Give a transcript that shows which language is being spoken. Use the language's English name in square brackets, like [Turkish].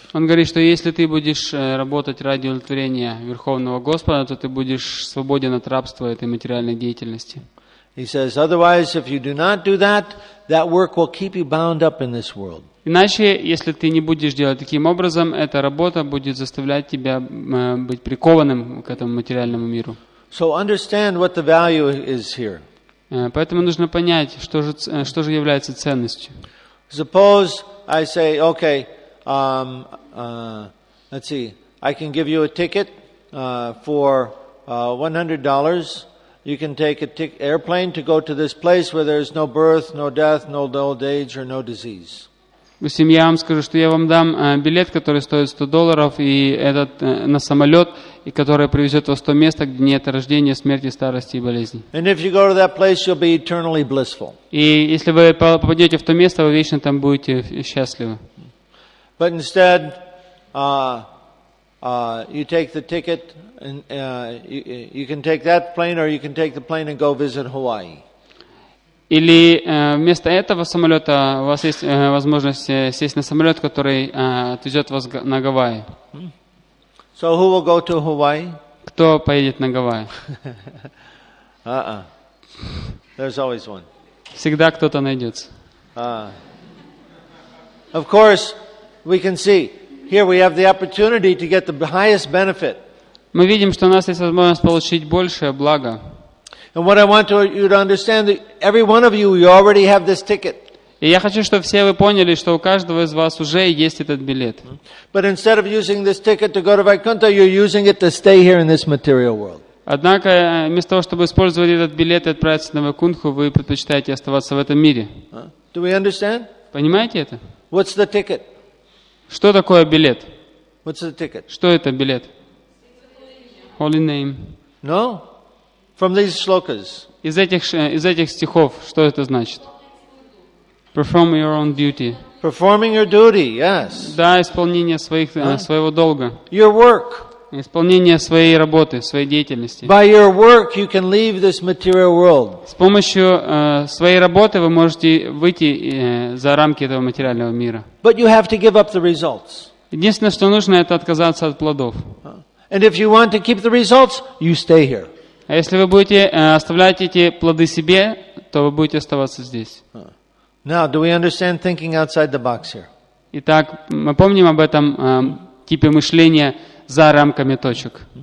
[Russian] Он говорит, что если ты будешь работать ради удовлетворения Верховного Господа, то ты будешь свободен от рабства этой материальной деятельности. [English] He says, otherwise, if you do not do that, that work will keep you bound up in this world. [Russian] Иначе, если ты не будешь делать таким образом, эта работа будет заставлять тебя быть прикованным к этому материальному миру. [English] So understand what the value is here. [Russian] Поэтому нужно понять, что же является ценностью. [English] Suppose I say, okay, let's see, I can give you a ticket for $100. You can take a airplane to go to this place where there is no birth, no death, no old age, or no disease. [Russian] Допустим, я вам скажу, что я вам дам билет, который стоит $100, и этот на самолет, и который привезет вас в то место, где нет рождения, смерти, старости и болезней. И если вы попадете в то место, вы вечно там будете счастливы. [English] But instead, you take the ticket, and you can take that plane, or you can take the plane and go visit Hawaii. [Russian] Или вместо этого самолета у вас есть возможность сесть на самолет, который отвезет вас на Гавайи. [English] So who will go to Hawaii? [Russian] Кто поедет на Гавайи? [English] There's always one. [Russian] Всегда кто-то найдется. [English] Of course, we can see here we have the opportunity to get the highest benefit. [Russian] Мы видим, что у нас есть возможность получить большее благо. [English] And what I want you to understand that every one of you, you already have this ticket. [Russian] И я хочу, чтобы все вы поняли, что у каждого из вас уже есть этот билет. [English] But instead of using this ticket to go to Vaikuntha, you're using it to stay here in this material world. [Russian] Однако вместо того, чтобы использовать этот билет и отправиться на Вайкунху, вы предпочитаете оставаться в этом мире. [English] Do we understand? [Russian] Понимаете это? [English] What's the ticket? [Russian] Что такое билет? [English] What's the ticket? [Russian] Что это билет? [English] Holy name. No. From these shlokas. [Russian] Из этих стихов, что это значит? [English] Perform your own duty. Performing your duty, yes. [Russian] Да, исполнение своего долга. [English] Your work. [Russian] Исполнение своей работы, своей деятельности. [English] By your work you can leave this material world. [Russian] С помощью своей работы вы можете выйти за рамки этого материального мира. [English] But you have to give up the results. [Russian] Единственное, что нужно, это отказаться от плодов. [English] And if you want to keep the results, you stay here. [Russian] А если вы будете оставлять эти плоды себе, то вы будете оставаться здесь. [English] Now, do we understand thinking outside the box here? [Russian] Итак, мы помним об этом типе мышления за рамками точек.